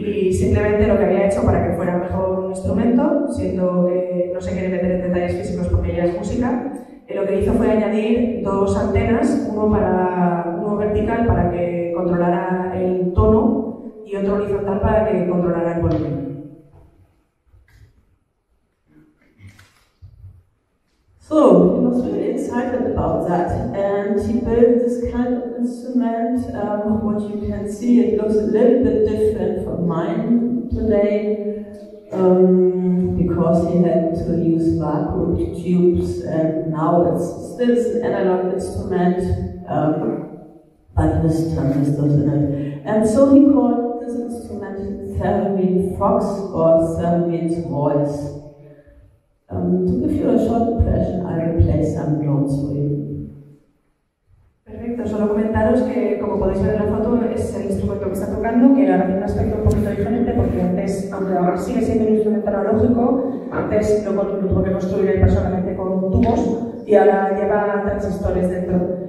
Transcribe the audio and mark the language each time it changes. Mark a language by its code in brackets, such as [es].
[es] Y simplemente lo que había hecho para que fuera mejor un instrumento, siendo que no se quiere meter en detalles físicos porque ya es música, lo que hizo fue añadir dos antenas, uno vertical para que controlara el tono y otro horizontal para que controlara el volumen. [en] So, he was really excited about that, and he built this kind of instrument. What you can see, it looks a little bit different from mine today, because he had to use vacuum tubes, and now it's still an analog instrument, but this time it doesn't have. And so he called this instrument Theremin Fox, or Theremin's voice. To give you a short impression, I will play some drones for you. [es] Perfecto, solo comentaros que, como podéis ver en la foto, es el instrumento que está tocando, que ahora tiene un aspecto un poquito diferente, porque antes, aunque ahora sigue siendo un instrumento analógico, antes lo tuvo que construir personalmente con tubos y ahora lleva transistores dentro.